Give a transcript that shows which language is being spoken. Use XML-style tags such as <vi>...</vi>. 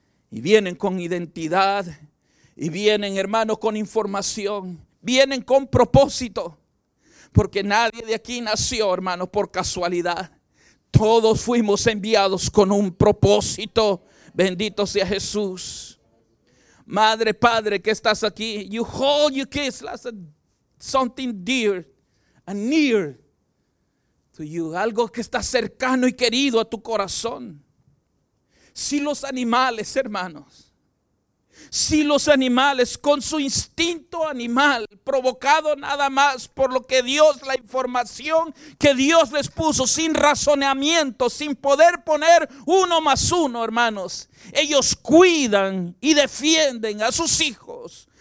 <es>Y vienen con identidad, y vienen, hermano, con información. Vienen con propósito, porque nadie de aquí nació, hermano, por casualidad. Todos fuimos enviados con un propósito. Bendito sea Jesús. Madre, Padre, que estás aquí.</es> <en>You hold your kids like something dear and near to you.</en> <es>Algo que está cercano y querido a tu corazón. Si los animales, hermanos, si los animales con su instinto animal, provocado nada más por lo que Dios, la información que Dios les puso, sin razonamiento, sin poder poner uno más uno, hermanos, ellos cuidan y defienden a sus hijos.</es>